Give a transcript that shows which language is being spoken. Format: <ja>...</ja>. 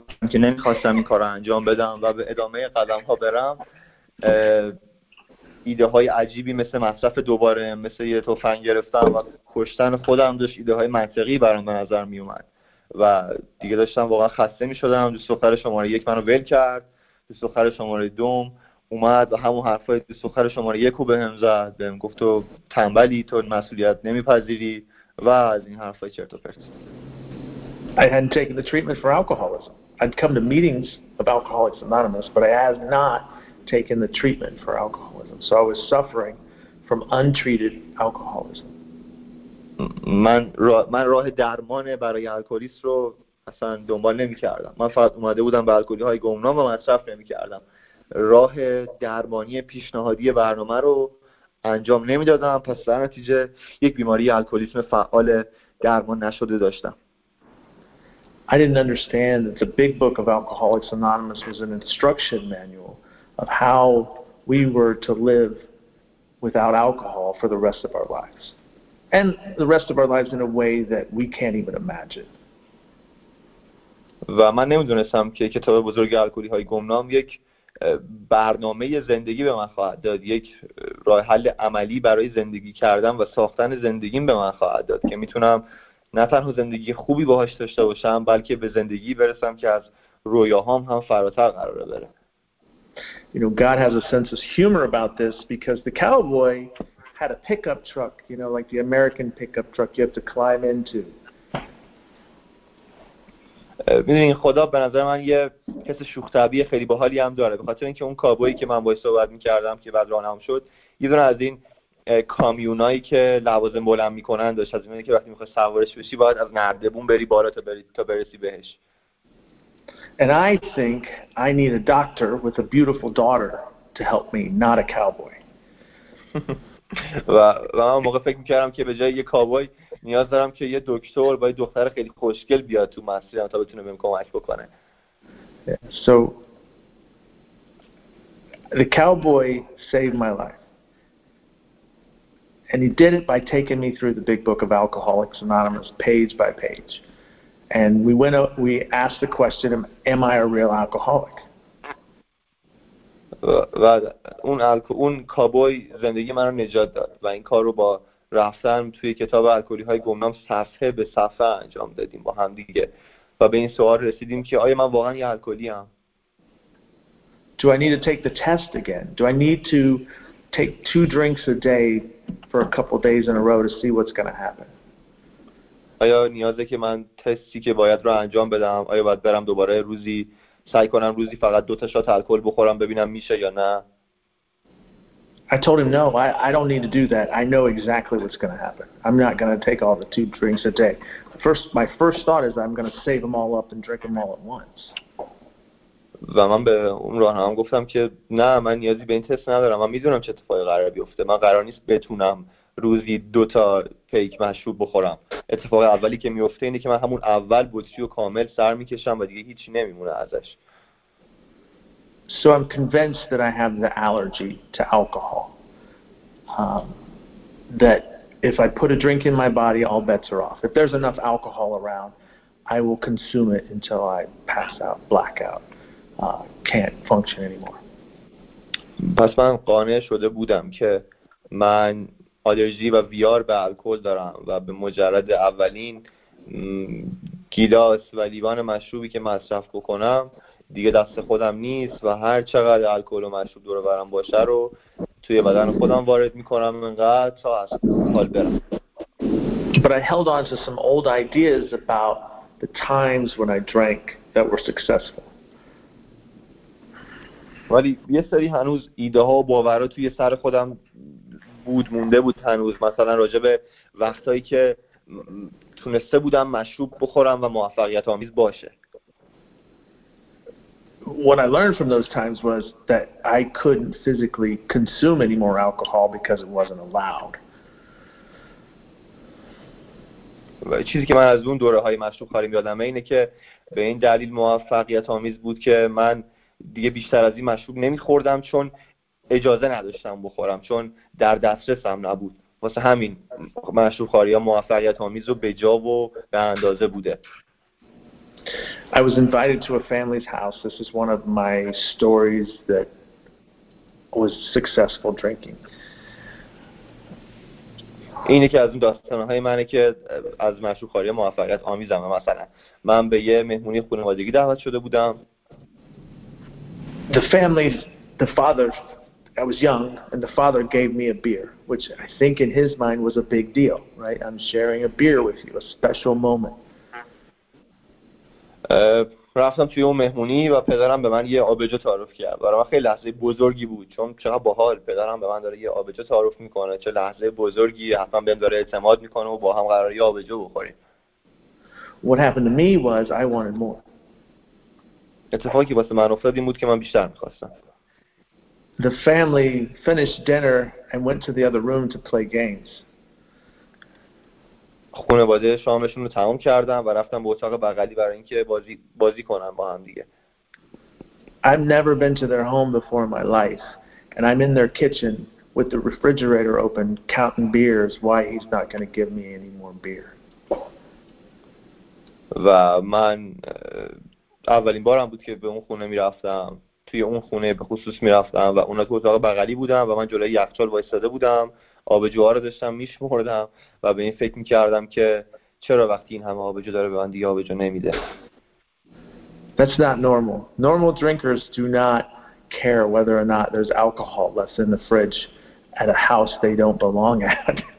<fa>که نمیخواستم این کار انجام بدم و به ادامه قدم ها برم ایده های عجیبی مثل مصرف دوباره مثل یه تفنگ گرفتم و کشتن خودم داشت ایده های منطقی برام به نظر می اومد و دیگه داشتم واقعا خسته می شدم. دوست دختر شماره یک منو ول کرد. دوست دختر شماره دوم اومد و همون حرفای دوست دختر شماره یک رو به هم زد. بهم گفت تو تنبلی، تو مسئولیت نمی پذیری و از این حرفای چرت و پرت.</fa> <en>I hadn't taken the treatment for alcoholism. I'd come to meetings of Alcoholics Anonymous, but I had not taken the treatment for alcoholism. So I was suffering from untreated alcoholism.</en> <fa>من راه درمان برای الکلیست رو اصلا دنبال نمی کردم. من فقط اومده بودم به الکلی های گمنام و مصرف نمی کردم. راه درمانی پیشنهادی برنامه رو انجام نمی دادم. پس در نتیجه یک بیماری الکلیسم فعال درمان نشده داشتم.</fa> <en>I didn't understand that the big book of Alcoholics Anonymous was an instruction manual of how we were to live without alcohol for the rest of our lives. And the rest of our lives in a way that we can't even imagine.</en> <fa>و من نمیدونستم که کتاب بزرگ الکلی های گمنام یک برنامه زندگی به من خواهد داد، یک راه حل عملی برای زندگی کردن و ساختن زندگیم به من خواهد داد که میتونم نه تنها زندگی خوبی باهاش داشته باشم بلکه به زندگی برسم که از رویاهام هم فراتر قرار بره.</fa> <en>You know, God has a sense of humor about this because the cowboy had a pickup truck, you know, like the American pickup truck you have to climb into.</en> <fa>ببینید خدا به نظر من یه حس شوخ طبعی خیلی باحالی هم داره به خاطر اینکه اون کابویی که من باهاش صحبت می‌کردم که بعد راهنما شد یه دونه از این کامیونایی که لوازم بلند می‌کنن داشت. از اینکه وقتی می‌خواد سوارش بشی باید از نردبون بری بالا تا برسی بهش.</fa> <en>And I think I need a doctor with a beautiful daughter to help me, not a cowboy.</en> <fa>و من موقع فکر میکردم که به جای یه کابوی نیاز دارم که یه دکتر با یه دختر خیلی خوشگل بیاد تو مسیرم تا بتونه بهم کمک بکنه.</fa> <en>So the cowboy saved my life. And he did it by taking me through the big book of Alcoholics Anonymous page by page. And we asked the question, am I a real alcoholic?</en> <fa>و اون کابوی زندگی من رو نجات داد و این کار رو با رفتن توی کتاب الکلی های گمنام صفحه به صفحه انجام دادیم با هم دیگه و به این سوال رسیدیم که آیا من واقعا یه الکلی ام.</fa> <en>Do I need to take the test again? Do I need to take two drinks a day for a couple days in a row to see what's going to happen?</en> <fa>آیا نیازه که من تستی که باید رو انجام بدم؟ آیا باید برم دوباره روزی سعی کنم روزی فقط دو تا شات الکل بخورم ببینم میشه یا نه؟</fa> <en>I told him no, I don't need to do that. I know exactly what's going to happen. I'm not going to take all the two drinks a day. My first thought is I'm going to save them all up and drink them all at once.</en> <fa>و من به اون راهنما گفتم که نه من نیازی به این تست ندارم. من میدونم چه اتفاقی قرار بیفته. من قرار نیست بتونم روزی دو تا پیک مشروب بخورم. اتفاق اولی که میفته اینه که من همون اول بطری رو کامل سر میکشم و دیگه هیچی نمیمونه ازش.</fa> <en>So I'm convinced that I have the allergy to alcohol. That if I put a drink in my body, all bets are off. If there's enough alcohol around, I will consume it until I pass out, blackout, can't function anymore.</en> <fa>پس من قانع شده بودم که من آلرژی و ویار به الکل دارم و به مجرد اولین گیلاس و لیوان مشروبی که مصرف بکنم دیگه دست خودم نیست و هر چقدر الکل و مشروب دور برم باشه رو توی بدن خودم وارد میکنم انقدر تا از حال برم.</fa> <en>But I held on to some old ideas about the times when I drank that were successful.</en> <fa>ولی یه سری هنوز ایده ها و باورها توی سر خودم بود، مونده بود هنوز، مثلا راجع به وقتایی که تونسته بودم مشروب بخورم و موفقیت آمیز باشه.</fa> <en>What I learned from those times was that I couldn't physically consume any more alcohol because it wasn't allowed.</en> <fa>و چیزی که من از اون دوره های مشروب خاری میادم اینه که به این دلیل موفقیت آمیز بود که من دیگه بیشتر از این مشروب نمیخوردم چون اجازه نداشتم بخورم، چون در دسترسم نبود. واسه همین مشروب خاری ها موفقیت آمیز و به جا و به اندازه بوده.</fa> <en>I was invited to a family's house. This is one of my stories that was successful drinking.</en> <fa>اینه که از اون داستانهای منه که از مشروب خاری موفقیت آمیزم. مثلا من به یه مهمونی خانوادگی دعوت شده بودم.</fa> <en>The father, I was young, and the father gave me a beer, which I think in his mind was a big deal, right? I'm sharing a beer with you, a special moment.</en> <fa>رفتم توی اون مهمونی و پدرم به من یه آبجو تعارف کرد. برای من خیلی لحظه بزرگی بود، چون چقدر باحال پدرم به من داره یه آبجو تعارف میکنه، چه لحظه بزرگی، حتما بهم داره اعتماد میکنه و با هم قراره یه آبجو بخوریم.</fa> <en>What happened to me was I wanted more.</en> <fa>اتفاقی واسه من افتاد این بود که من بیشتر میخواستم.</fa> <en>The family finished dinner and went to the other room to play games.</en> <fa>خانواده شامشون رو تمام کردن و رفتن به اتاق بغلی برای اینکه بازی کنن با هم دیگه.</fa> <en>I've never been to their home before in my life and I'm in their kitchen with the refrigerator open counting beers why he's not going to give me any more beer.</en> <fa>و من اولین بارم بود که به اون خونه میرفتم، توی اون خونه به خصوص میرفتم و اونا تو اتاق بغلی بودن و من جلوی یخچال وایساده بودم، آبجوها رو داشتم میشمردم و به این فکر میکردم که چرا وقتی این همه آبجو داره به من دیگه آبجو نمیده.</fa> <en>That's not normal. Normal drinkers do not care whether or not there's alcohol left in the fridge at a house they don't belong at.</en>